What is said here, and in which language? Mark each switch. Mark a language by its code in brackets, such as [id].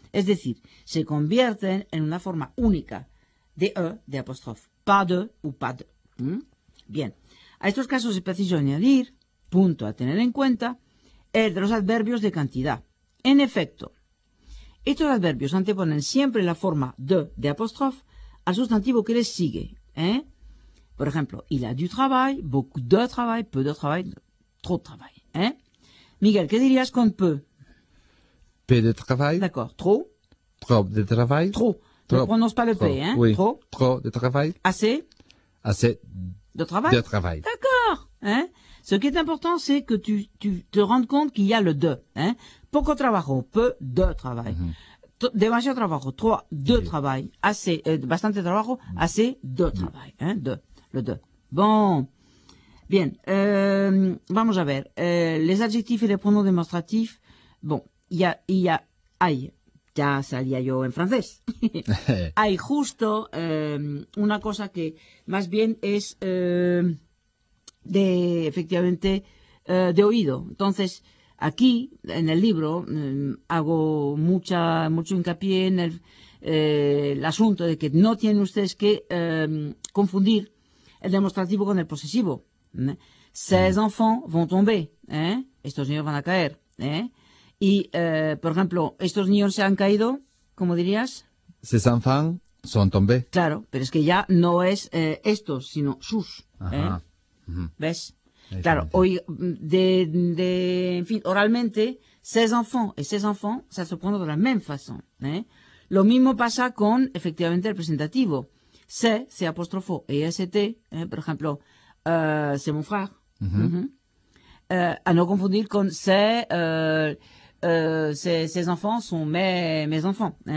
[es] Es decir, se convierten en una forma única de e, de apóstrofe, [fr] pas de ou pas de. [es] ¿Mm? Bien, a estos casos es preciso añadir, punto a tener en cuenta, el de los adverbios de cantidad. En efecto, estos adverbios anteponen siempre la forma de apóstrofe al sustantivo que les sigue. ¿Eh? Por ejemplo, [fr] il a du travail, beaucoup de travail, peu de travail, trop de travail. ¿Eh? [es] Miguel, ¿qué dirías con peu? [fr] Peu de travail. D'accord. Trop. Trop de travail. Trop. Trop. Ne prononce pas le trop. P. Hein? Oui. Trop. Trop de travail. Assez. Assez de travail. De travail. D'accord. Hein? Ce qui est important, c'est que tu te rendes compte qu'il y a le de. Hein? [es] Poco trabajo, [fr] peu de travail. Mm-hmm. [es] Demasiado trabajo, [fr] trois, de travail. Assez, [es] bastante trabajo, [fr] assez de travail. Hein? De, le de. Bon. [es] Bien. Vamos a ver. [fr] Les adjectifs et les pronoms démonstratifs. Bon. Il y a, hay. [es] ya salía yo en francés. Hay justo una cosa que más bien es de oído. Entonces, aquí, en el libro, hago mucho hincapié en el asunto de que no tienen ustedes que confundir el demostrativo con el posesivo. [fr] Ces enfants vont tomber. [es] Estos niños van a caer. Y, por ejemplo, ¿estos niños se han caído? ¿Cómo dirías? [fr] Ces enfants sont tombés. [es] Claro, pero es que ya no es estos, sino sus. ¿Ves? Claro, hoy, en fin, oralmente, [fr] ces enfants [es] y ces enfants se supone [fr] de la même façon. [es] Lo mismo pasa con, efectivamente, el presentativo. [fr] C apóstrofo, est, [es] por ejemplo, [fr] c'est mon frère. [es] A no confundir con [fr] ses enfants sont mes enfants.